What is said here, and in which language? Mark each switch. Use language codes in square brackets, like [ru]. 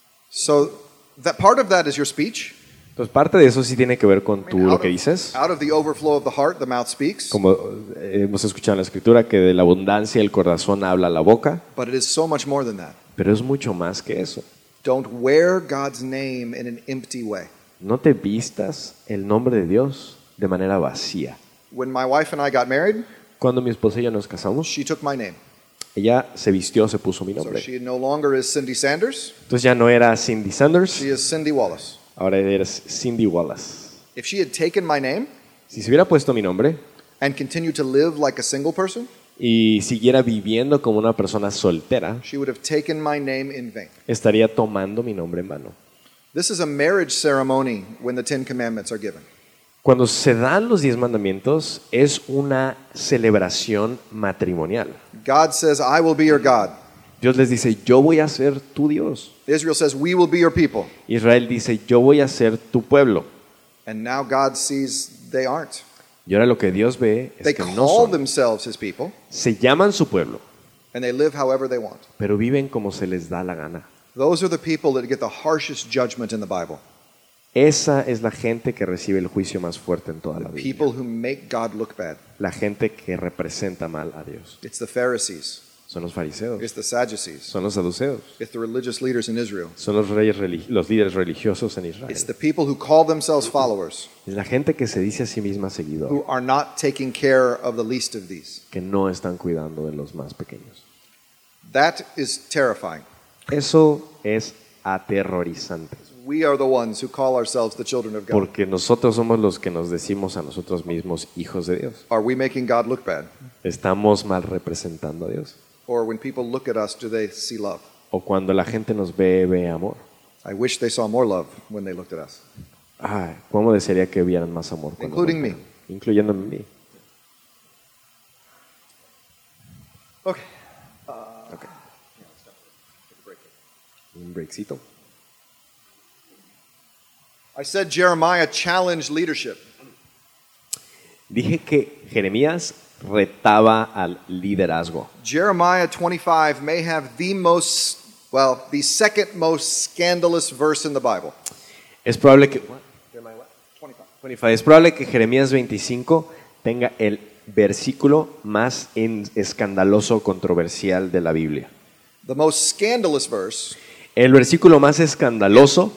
[en] So, that part of that is your speech. [es] Pues parte de eso sí tiene que ver con tú lo que dices. [en] Out of the overflow of the heart, the mouth speaks. [es] Como hemos escuchado en la escritura que de la abundancia el corazón habla la boca. [en] But it is so much more than that. [es] Pero es mucho más que eso. [en] Don't wear God's name in an empty way. [es] No te vistas el nombre de Dios de manera vacía. [en] When my wife and I got married, [es] cuando mi esposa y yo nos casamos, [en] she took my name. [es] Ella se vistió, se puso mi nombre. [en] So she no longer is Cindy Sanders. [es] Entonces ya no era Cindy Sanders. [en] She is Cindy Wallace. [es] Ahora eres Cindy Wallace. [en] If she had taken my name, [es] si se hubiera puesto mi nombre, [en] and continued to live like a single person, [es] y siguiera viviendo como una persona soltera, [en] she would have taken my name in vain. [es] Estaría tomando mi nombre en vano. [en] This is a marriage ceremony when the Ten Commandments are given. [es] Cuando se dan los 10 mandamientos, es una celebración matrimonial. [en] God says, I will be your God. [es] Dios les dice, yo voy a ser tu Dios. [en] Israel says, we will be your people. [es] Israel dice, yo voy a ser tu pueblo. [en] And now God sees they aren't. [es] Y ahora lo que Dios ve es [en] they [es] que [en] call [es] no son. [en] Themselves his people, [es] se llaman su pueblo. [en] And they live however they want. [es] Pero viven como se les da la gana. [en] Those are the people that get the harshest judgment in the Bible. [es] Esa es la gente que recibe el juicio más fuerte en toda [en] the [es] la Biblia. [en] People who make God look bad. [es] La gente que representa mal a Dios. [en] It's the Pharisees. [es] Son los fariseos. [en] It's the Sadducees. [es] Son los saduceos. [en] It's the religious leaders in Israel. [es] Son los reyes los líderes religiosos en Israel. [en] It's the people who call themselves followers. [es] Es la gente que se dice a sí misma seguidor. [en] Who are not taking care of the least of these. [es] Que no están cuidando de los más pequeños. [en] That is terrifying. [es] Eso es aterrorizante. [en] We are the ones who call ourselves the children of God. [es] Porque nosotros somos los que nos decimos a nosotros mismos hijos de Dios. [en] Are we making God look bad? [es] Estamos mal representando a Dios. [en] Or when people look at us, do they see love? [es] O cuando la gente nos ve, ve amor. [en] I wish they saw more love when they looked at us. [es] Ah, ¿cómo desearía que vieran más amor? [en] Including me. [es] Incluyéndome a mí. [en] Okay. [es] Un breakcito. [en] I said Jeremiah challenged leadership. [es] Dije que Jeremías retaba al liderazgo. [en] Jeremiah 25 may have the most, well, the second most scandalous verse in the Bible. [es] Es probable que [en] Jeremiah 25. [es] Es probable que Jeremías 25 tenga el versículo más escandaloso, controversial de la Biblia. [en] The most scandalous verse. [es] El versículo más escandaloso